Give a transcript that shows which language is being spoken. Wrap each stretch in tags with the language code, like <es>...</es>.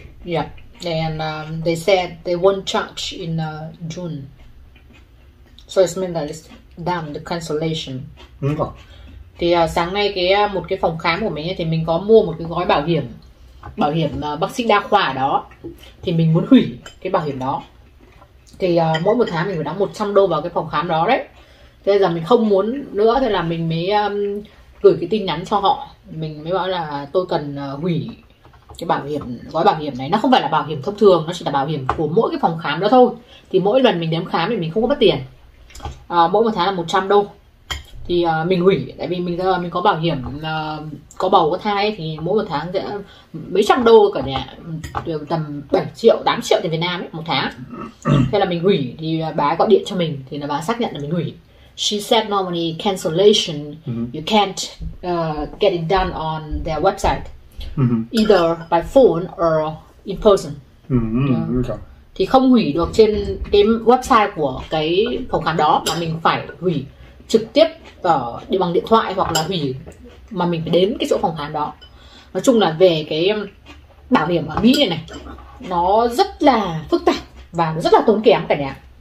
<en>Yeah, and they said they won't charge in June. So it means that it's done, the cancellation.</en> <vi>Thì sáng nay cái một cái phòng khám của mình thì mình có mua một cái gói bảo hiểm bác sĩ đa khoa đó, thì mình muốn hủy cái bảo hiểm đó. Thì mỗi một tháng mình phải đóng $100 vào cái phòng khám đó đấy. Thế giờ mình không muốn nữa, thế là mình mới gửi cái tin nhắn cho họ. Mình mới bảo là tôi cần hủy cái bảo hiểm, gói bảo hiểm này. Nó không phải là bảo hiểm thông thường, nó chỉ là bảo hiểm của mỗi cái phòng khám đó thôi. Thì mỗi lần mình đến khám thì mình không có mất tiền. Mỗi một tháng là $100. Thì mình hủy, tại vì mình có bảo hiểm có bầu có thai ấy, thì mỗi một tháng sẽ mấy trăm đô cả nhà, tầm 7 triệu, 8 triệu tiền Việt Nam ấy, một tháng. Thế là mình hủy, thì bà gọi điện cho mình, thì là bà xác nhận là mình hủy.</vi> <en>She said normally cancellation, mm-hmm. you can't get it done on their website, mm-hmm. either by phone or in person. Mm-hmm. Yeah. Okay.</en> <vi>Thì không hủy được trên cái website của cái phòng khám đó, mà mình phải hủy trực tiếp ở đi bằng điện thoại, hoặc là hủy mà mình phải đến cái chỗ phòng khám đó. Nói chung là về cái bảo hiểm ở Mỹ này, nó rất là phức tạp và nó rất là tốn kém cả nhà.</vi>